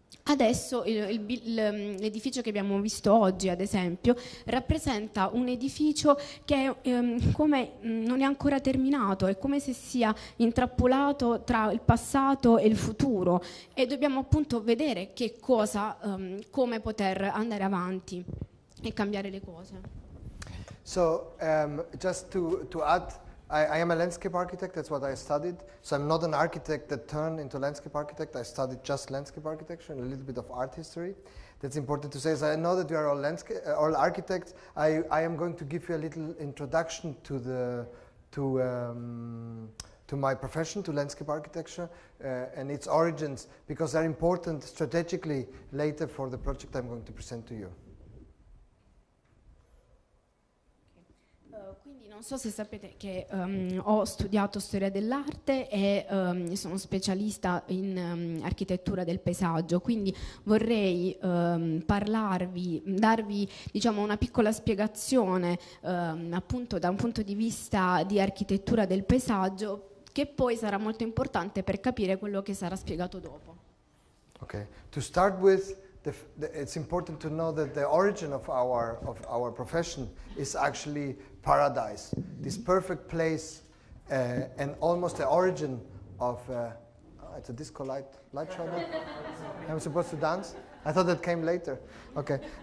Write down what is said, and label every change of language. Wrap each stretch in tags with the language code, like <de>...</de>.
<it>Adesso l'edificio che abbiamo visto oggi, ad esempio, rappresenta un edificio che non è ancora terminato, è come se sia intrappolato tra il passato e il futuro e dobbiamo appunto vedere che cosa, come poter andare avanti e cambiare le cose.</it> <en>So, just to add, I am a landscape architect, that's what I studied. So I'm not an architect that turned into landscape architect. I studied just landscape architecture and a little bit of art history. That's important to say. So I know that you are all all architects. I am going to give you a little introduction to my profession, to landscape architecture and its origins, because they're important strategically later for the project I'm going to present to you.</en> <it>Non so se sapete che ho studiato storia dell'arte e sono specialista in architettura del paesaggio, quindi vorrei darvi diciamo, una piccola spiegazione appunto da un punto di vista di architettura del paesaggio che poi sarà molto importante per capire quello che sarà spiegato dopo.</it> <en>Ok, to start with, it's important to know that the origin of our profession is actually paradise, this perfect place, and almost the origin of it's a disco light show. I'm supposed to dance? I thought that came later. Okay.</en>